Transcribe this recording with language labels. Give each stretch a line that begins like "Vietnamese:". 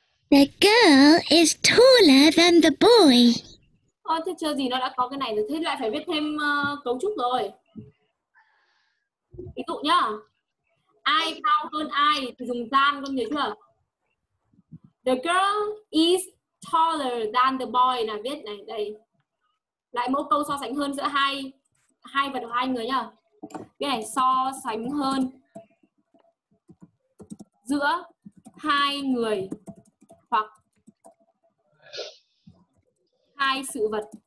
English: The girl is taller than the boy.
Vietnamese: Ôi, thế chơi gì nó đã có cái này rồi, thế lại phải viết thêm cấu trúc rồi. Ví dụ nhá. Ai cao hơn ai thì dùng than, con nhớ chưa?
English: The girl is taller than the boy.
Vietnamese: Là viết này, đây. Lại mẫu câu so sánh hơn giữa hai vật của hai người nhá. Viết này, so sánh hơn giữa hai người hoặc hai sự vật.